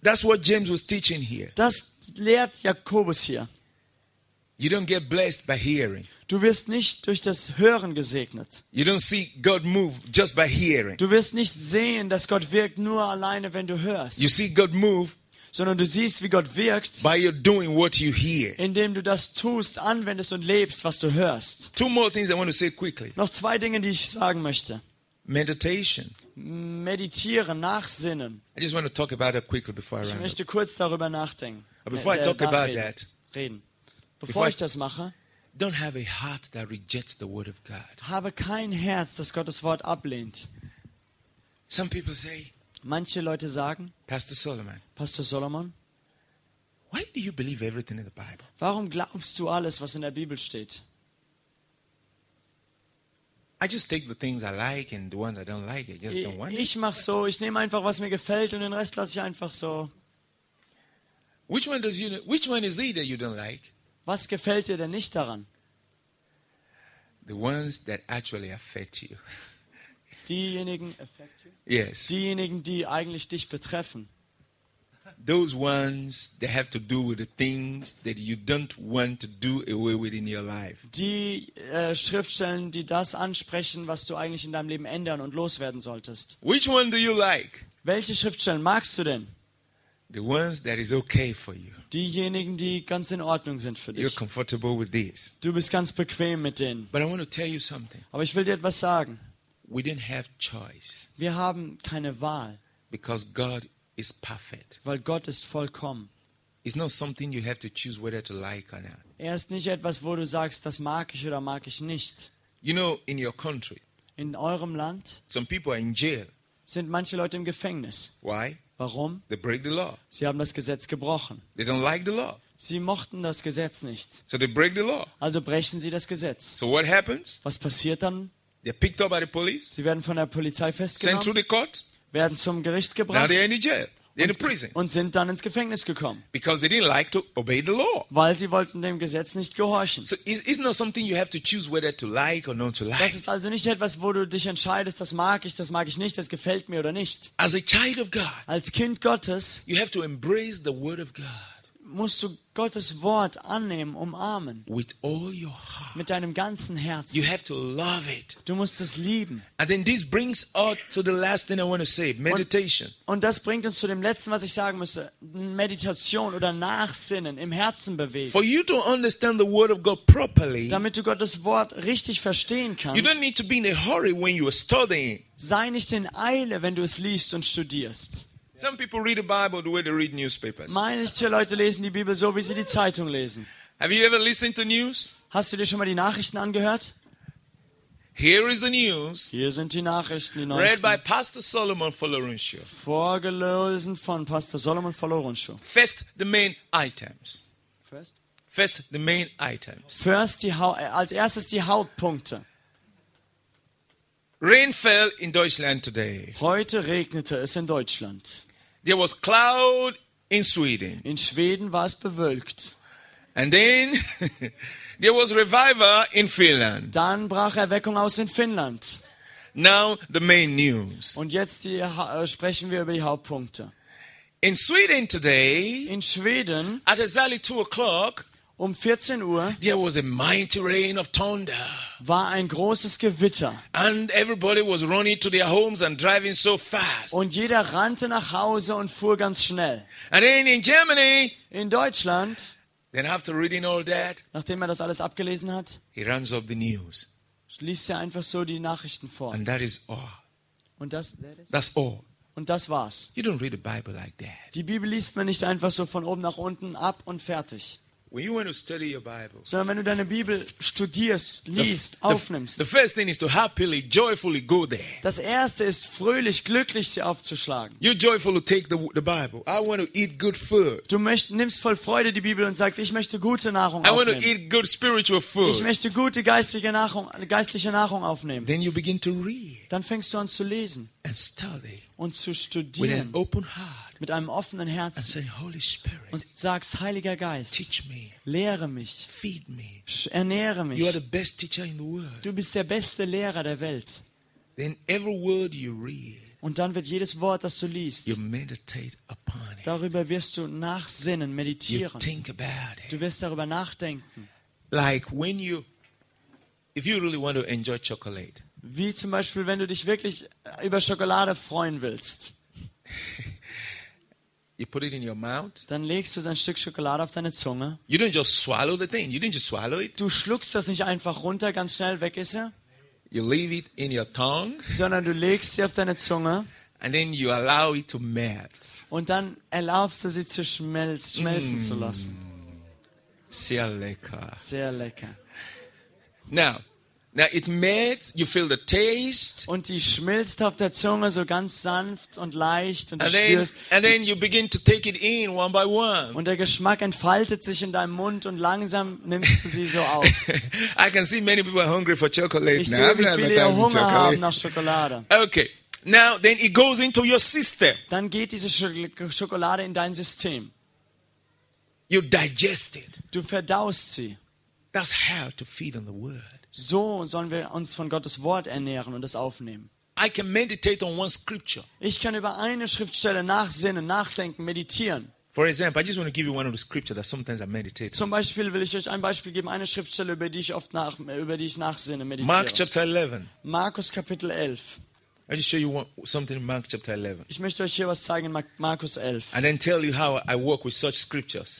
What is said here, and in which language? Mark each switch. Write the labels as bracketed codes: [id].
[en] That's what James was teaching here. [de] Das lehrt Jakobus hier. [en] You don't get blessed by hearing. [de] Du wirst nicht durch das Hören gesegnet. [en] You don't see God move just by hearing. [de] Du wirst nicht sehen, dass Gott wirkt nur alleine, wenn du hörst. [en] You see God move. [de] Sondern du siehst, wie Gott wirkt, [en] by your doing what you hear. [de] Indem du das tust, anwendest und lebst, was du hörst. [en] Two more things I want to say quickly. [de] Noch zwei Dinge, die ich sagen möchte. [en] Meditation. [de] Meditieren, nachsinnen. [en] I just want to talk about that quickly before I [de] ich [en] run [de] möchte [en] up. [de] Kurz darüber nachdenken. [en] But before I talk about that, [de] reden. Bevor ich das mache, [en] don't have a heart that rejects the word of God. [de] Habe kein Herz, das Gottes Wort ablehnt. [en] Some people say, [de] manche Leute sagen, [en] Pastor Solomon, [de] Pastor Solomon, [en] why do you believe everything in the Bible? [de] Warum glaubst du alles, was in der Bibel steht? [en] I just take the things I like and the ones I don't like, I just don't want. [de] Ich mach so, ich nehme einfach, was mir gefällt und den Rest lasse ich einfach so. [en] Which one is it that you don't like? [de] Was gefällt dir denn nicht daran? [en] The ones that actually affect you. [de] Diejenigen [en] affect you? Yes. [de] Diejenigen, die eigentlich dich betreffen. [en] Those ones that have to do with the things that you don't want to do away with in your life. [de] Die Schriftstellen, die das ansprechen, was du eigentlich in deinem Leben ändern und loswerden solltest. [en] Which one do you like? [de] Welche Schriftstellen magst du denn? [en] The ones that is okay for you. [de] Diejenigen, die ganz in Ordnung sind für dich. [en] You're comfortable with these. [de] Du bist ganz bequem mit denen. [en] But I want to tell you something. [de] Aber ich will dir etwas sagen. [en] We didn't have choice. [de] Wir haben keine Wahl. [en] Because God is perfect. [de] Weil Gott ist vollkommen. [en] It's not something you have to choose whether to like or not. [de] Er ist nicht etwas, wo du sagst, das mag ich oder mag ich nicht. [en] You know, in your country. [de] In eurem Land. [en] Some people are in jail. [de] Sind manche Leute im Gefängnis. [en] Why? [de] Warum? [en] They break the law. [de] Sie haben das Gesetz gebrochen. [en] They don't like the law. [de] Sie mochten das Gesetz nicht. [en] So they break the law. [de] Also brechen sie das Gesetz. [en] So what happens? [de] Was passiert dann? [en] They're picked up by the police. [de] Sie werden von der Polizei festgenommen. [en] Sent to the court. [de] Werden zum Gericht gebracht. [en] Now they're in jail. They're in prison. [de] Und sind dann ins Gefängnis gekommen. [en] Because they didn't like to obey the law. [de] Weil sie wollten dem Gesetz nicht gehorchen. [en] So it's not something you have to choose whether to like or not to like. [de] Das ist also nicht etwas, wo du dich entscheidest, das mag ich nicht, das gefällt mir oder nicht. [en] As a child of God. [de] Als Kind Gottes. [en] You have to embrace the word of God. [de] Musst du Gottes Wort annehmen, umarmen. [en] With all your heart. [de] Mit deinem ganzen Herzen. [en] You have to love it. [de] Du musst es lieben. [en] And then this brings us to the last thing I want to say, meditation. [de] Und das bringt uns zu dem letzten, was ich sagen müsste, Meditation oder Nachsinnen im Herzen bewegen. [en] For you to understand the word of God properly. [de] Damit du Gottes Wort richtig verstehen kannst. [en] You don't need to be in a hurry when you are studying. [de] Sei nicht in Eile, wenn du es liest und studierst. [en] Some people read the Bible the way they read newspapers. [de] Manche Leute lesen die Bibel so, wie sie die Zeitung lesen. [en] Have you ever listened to news? [de] Hast du dir schon mal die Nachrichten angehört? [en] Here is the news. [de] Hier sind die Nachrichten, die neuesten. [en] Read by Pastor Solomon Folorunshu. [de] Vorgelesen von Pastor Solomon Folorunshu. [en] First the main items. First the main items. [de] First die als erstes die Hauptpunkte. [en] Rain fell in Deutschland today. [de] Heute regnete es in Deutschland. [en] There was cloud in Sweden. [de] In Schweden war es bewölkt. [en] And then there was revival in Finland. [de] Dann brach Erweckung aus in Finnland. [en] Now the main news. [de] Und jetzt sprechen wir über die Hauptpunkte. [en] In Sweden today. [de] In Schweden. [en] At exactly 2:00. [de] Um 14 Uhr [en] there was a mighty rain of thunder. [de] War ein großes Gewitter. [en] And everybody was running to their homes and driving so fast. [de] Und jeder rannte nach Hause und fuhr ganz schnell. [en] And then in Germany, [de] in Deutschland, [en] then after reading all that, [de] nachdem er das alles abgelesen hat, [en] he runs up the news. [de] Liest er einfach so die Nachrichten vor. [en] And that is all. [de] Und das [en] that's all. [de] Und das war's. [en] You don't read the Bible like that. [de] Die Bibel liest man nicht einfach so von oben nach unten ab und fertig. [en] When you want to study your Bible, [de] sondern wenn du deine Bibel studierst, liest, aufnimmst. [en] The first thing is to happily, joyfully go there. [de] Das erste ist fröhlich, glücklich sie aufzuschlagen. [en] You joyfully take the Bible. I want to eat good food. [de] Du nimmst voll Freude die Bibel und sagst, ich möchte gute Nahrung [en] I [de] aufnehmen. [en] I want to eat good spiritual food. [de] Ich möchte gute geistliche Nahrung aufnehmen. [en] Then you begin to read. [de] Dann fängst du an zu lesen. [en] And study. [de] Und zu studieren. [en] With an open heart. [de] Mit einem offenen Herzen [en] and say, Holy Spirit, [de] und sagst, Heiliger Geist, [en] teach me, [de] lehre mich, [en] feed me, [de] ernähre mich. [en] You are the best teacher in the world. [de] Du bist der beste Lehrer der Welt. [en] Then every word you read, [de] und dann wird jedes Wort, das du liest, [en] you meditate upon it. [de] Darüber wirst du nachsinnen, meditieren. [en] You think about it. [de] Du wirst darüber nachdenken. [en] Like when you, if you really want to enjoy chocolate. [de] Wie zum Beispiel, wenn du dich wirklich über Schokolade freuen willst. [en] You put it in your mouth. [de] Dann legst du ein Stück Schokolade auf deine Zunge. [en] You didn't just swallow the thing. You didn't just swallow it. [de] Du schluckst das nicht einfach runter, ganz schnell weg ist er. [en] You leave it in your tongue. [de] Sondern du legst sie auf deine Zunge. [en] And then you allow it to melt. [de] Und dann erlaubst du sie zu schmelzen zu lassen. Sehr lecker. Sehr lecker. [en] Now it melts, you feel the taste. [de] Und die schmilzt auf der Zunge so ganz sanft und leicht und [en] and then you begin to take it in one by one. [de] Und der Geschmack entfaltet sich in deinem Mund und langsam nimmst du sie so auf. [en] I can see many people are hungry for chocolate. [de] Ich sehe, wie viele Hunger haben nach Schokolade. [en] Okay. Now then it goes into your system. [de] Dann geht diese Schokolade in dein System. [en] You digest it. [de] Du verdaust sie. [en] That's how to feed on the word. [de] So sollen wir uns von Gottes Wort ernähren und es aufnehmen. [en] I can meditate on one scripture. [de] Ich kann über eine Schriftstelle nachsinnen, nachdenken, meditieren. [en] For example, I just want to give you one of the scriptures that sometimes I meditate. [de] Zum Beispiel will ich euch ein Beispiel geben, eine Schriftstelle, über die ich nachsinne, meditiere. [en] Mark chapter 11. [de] Markus Kapitel 11. [en] I just show you something in Mark chapter 11. [de] Ich möchte euch hier was zeigen in Markus 11. [en] And then tell you how I work with such scriptures.